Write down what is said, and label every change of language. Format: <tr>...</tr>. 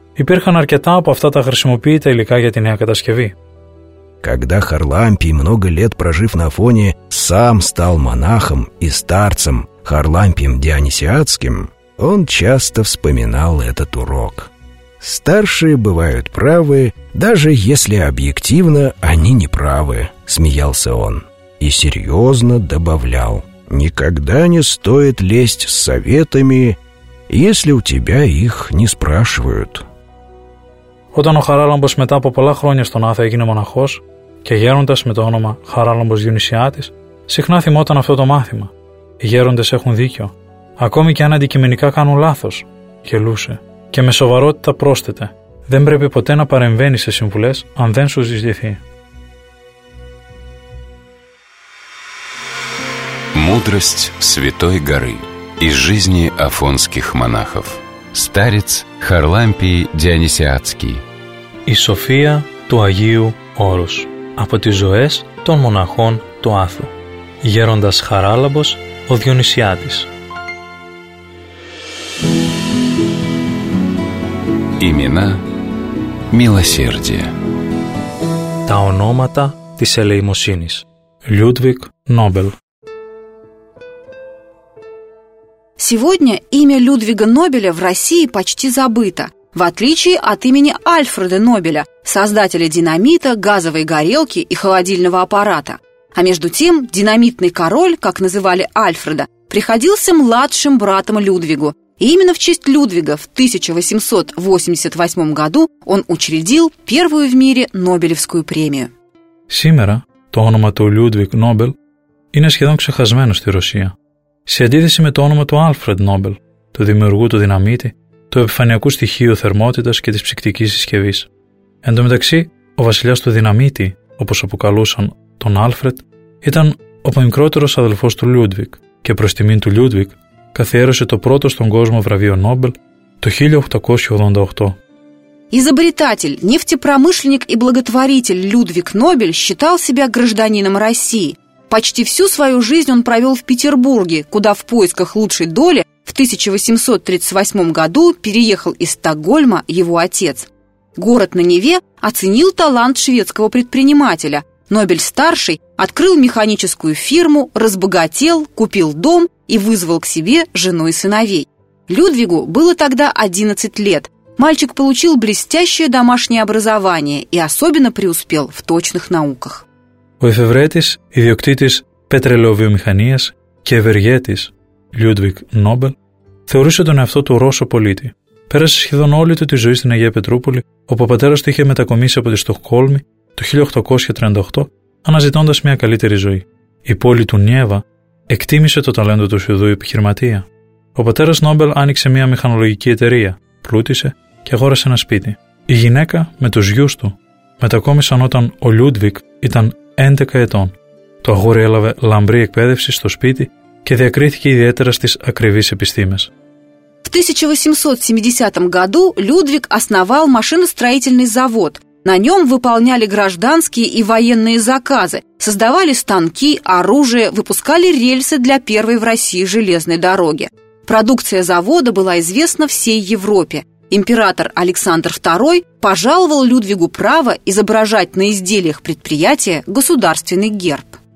<el>Υπήρχαν αρκετά από αυτά τα χρησιμοποιητά υλικά για τη νέα κατασκευή.</el> <ru>Когда Харлампий, много лет прожив на Афоне, сам стал монахом и старцем Харлампием Дионисиатским, он часто вспоминал этот урок. «Старшие бывают правы, даже если объективно они не правы», — смеялся он. И серьезно добавлял, «никогда не стоит лезть с советами, если у тебя их не спрашивают».</ru> <el>Όταν ο Χαράλαμπος μετά από πολλά χρόνια στον Άθα έγινε μοναχός και γέροντας με το όνομα Χαράλαμπος Διονυσιάτης, συχνά θυμόταν αυτό το μάθημα. Οι γέροντες έχουν δίκιο. Ακόμη και αν αντικειμενικά κάνουν λάθος, γελούσε. Και με σοβαρότητα πρόσθετε, δεν πρέπει ποτέ να παρεμβαίνει σε συμβουλές αν δεν σου ζητηθεί.</el> <ru>Μούδρость Святой Горы из жизни Афонских монахов. Старец Харлампий Дионисиатский.</ru> <el>Η σοφία του Αγίου Όρους. Από τις ζωές των μοναχών του Άθου. Γέροντας Χαράλαμπος, ο Διονυσιάτης.</el> <ru>Имена милосердия.</ru> <el>Τα ονόματα της ελεημοσύνης. Λιούντβικ Νόμπελ.</el> <ru>Сегодня имя Людвига Нобеля в России почти забыто, в отличие от имени Альфреда Нобеля, создателя динамита, газовой горелки и холодильного аппарата. А между тем, динамитный король, как называли Альфреда, приходился младшим братом Людвигу. И именно в честь Людвига в 1888 году он учредил первую в мире Нобелевскую премию. Сегодня то имя</ru> <el>Людвиг Нобель είναι σχεδόν ξεχασμένο στη Ρωσία. Σε αντίθεση με το όνομα του Άλφρεντ Νόμπελ, του δημιουργού του δυναμίτη, του επιφανειακού στοιχείου θερμότητας και της ψυκτικής συσκευής. Εν τω μεταξύ, ο βασιλιάς του δυναμίτη, όπως αποκαλούσαν τον Άλφρεντ, ήταν ο μικρότερος αδελφός του Λιούντβικ και προς τιμήν του Λιούντβικ καθιέρωσε το πρώτο στον κόσμο βραβείο Νόμπελ το 1888.</el> <ru>Изобретатель, нефтепромышленник и благотворитель Людвиг Нобель считал себя гражданином России. Почти всю свою жизнь он провел в Петербурге, куда в поисках лучшей доли в 1838 году переехал из Стокгольма его отец. Город на Неве оценил талант шведского предпринимателя. Нобель-старший открыл механическую фирму, разбогател, купил дом и вызвал к себе жену и сыновей. Людвигу было тогда 11 лет. Мальчик получил блестящее домашнее образование и особенно преуспел в точных науках.</ru> <el>Ο εφευρέτης, ιδιοκτήτης πετρελαιοβιομηχανίας και ευεργέτης Λιούντβικ Νόμπελ θεωρούσε τον εαυτό του Ρώσο πολίτη. Πέρασε σχεδόν όλη του τη ζωή στην Αγία Πετρούπολη, όπου ο πατέρας του είχε μετακομίσει από τη Στοκχόλμη το 1838, αναζητώντας μια καλύτερη ζωή. Η πόλη του Νιέβα εκτίμησε το ταλέντο του Σουηδού επιχειρηματία. Ο πατέρας Νόμπελ άνοιξε μια μηχανολογική εταιρεία, πλούτησε και αγόρασε ένα σπίτι. Η γυναίκα με τους γιους του μετακόμισαν όταν ο Λιούντβικ ήταν 11 ετών. Το αγόρι έλαβε λαμπρή εκπαίδευση στο σπίτι και διακρίθηκε ιδιαίτερα στις ακριβείς επιστήμες.</el> <ru>В 1870 году Людвиг основал машиностроительный завод. На нем выполняли гражданские и военные заказы, создавали станки, оружие, выпускали рельсы для первой в России железной дороги. Продукция завода была известна всей Европе. Император Александр II пожаловал Людвигу право изображать на изделиях предприятия государственный герб.</ru>